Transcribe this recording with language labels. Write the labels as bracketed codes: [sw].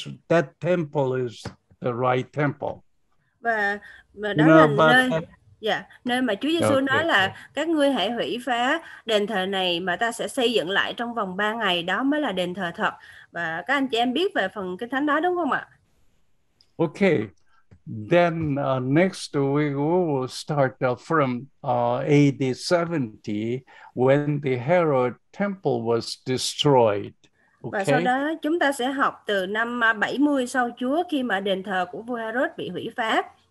[en] That temple is the right temple. [vi] Và đó là nơi mà Chúa Giêsu nói là các ngươi hãy hủy phá đền thờ này mà ta sẽ xây dựng lại trong vòng 3 ngày, đó mới là đền thờ thật. Và các anh chị em biết về phần Kinh Thánh đó đúng không ạ? [en] Okay. Then next week we will start from AD 70 when the Herod temple was destroyed. [vi] Và sau đó chúng ta sẽ học từ năm 70 sau Chúa khi mà đền thờ của vua Herod bị hủy phá.